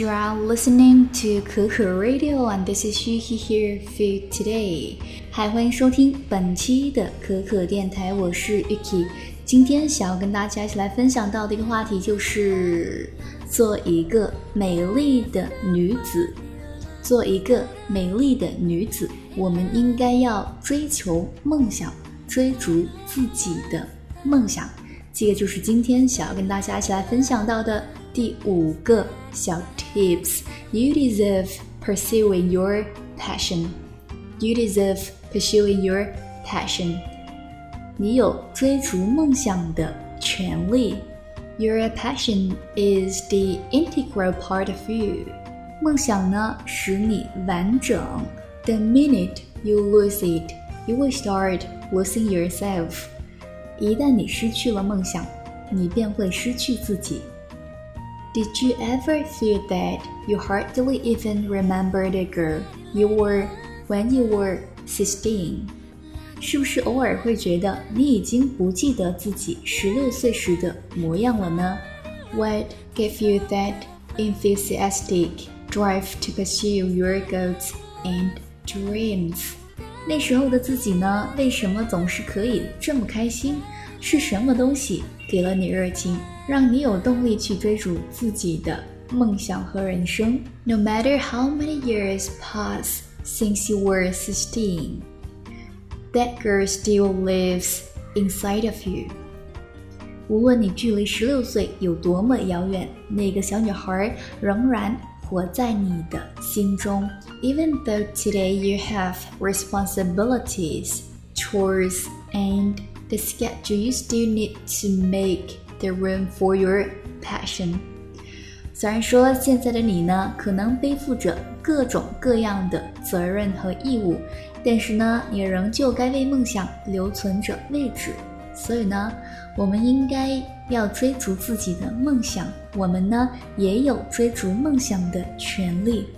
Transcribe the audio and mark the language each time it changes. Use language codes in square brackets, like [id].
[en] You are listening to Kuku Radio, and this is Yuki here for you today. [zh] Hi, 欢迎收听本期的可可电台，我是 Yuki。今天想要跟大家一起来分享到的一个话题就是做一个美丽的女子。做一个美丽的女子，我们应该要追求梦想，追逐自己的梦想。这个就是今天想要跟大家一起来分享到的第五个小 tips。 [en] You deserve pursuing your passion. You deserve pursuing your passion. [zh] 你有追逐梦想的权利。 [en] Your passion is the integral part of you. [zh] 梦想呢使你完整。 [en] The minute you lose it, you will start losing yourself. [zh] 一旦你失去了梦想，你便会失去自己。 [en] Did you ever feel that you hardly even remember the girl you were when you were 16? [zh] 是不是偶尔会觉得你已经不记得自己16岁时的模样了呢? [en] What gave you that enthusiastic drive to pursue your goals and dreams? [zh] 那时候的自己呢,为什么总是可以这么开心? 是什么东西给了你热情，让你有动力去追逐自己的梦想和人生。 [en] No matter how many years pass since you were 16, that girl still lives inside of you. [zh] 无论你距离16岁有多么遥远，那个小女孩仍然活在你的心中。 [en] Even though today you have responsibilities, chores, and the schedule, you still need to make the room for your passion. [zh] 虽然说现在的你呢，可能背负着各种各样的责任和义务，但是呢，你仍旧该为梦想留存着位置。所以呢，我们应该要追逐自己的梦想，我们呢，也有追逐梦想的权利。